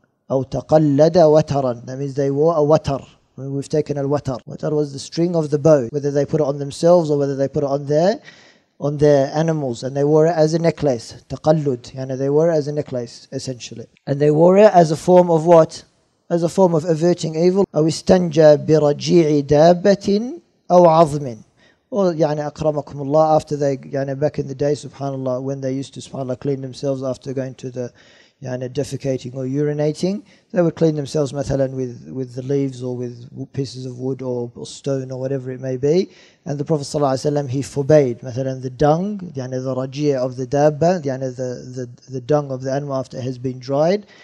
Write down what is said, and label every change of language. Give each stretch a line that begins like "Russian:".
Arabic: أو تقلد وتراً.
English: That means they wore a watar. We've taken al watar. Watar was the string of the bow, whether they put it on themselves or whether they put it on their animals, and they wore it as a necklace.
Arabic: تقلد.
English: يعني they wore it as a necklace, essentially. And they wore it as a form of what? As a form of averting evil.
Arabic: أو استنجى برجيع دابة أو عظم.
English: Or يعني
Arabic: أكرمكم الله,
English: after they يعني back in the day, subhanAllah, when they used to subhanAllah clean themselves after going to the يعني defecating or urinating, they would clean themselves مثلاً with the leaves or with pieces of wood or stone or whatever it may be. And the Prophet صلى الله عليه وسلم, he forbade مثلاً the dung, يعني the رجيع of the دابة, يعني the dung of the animal after it has been dried.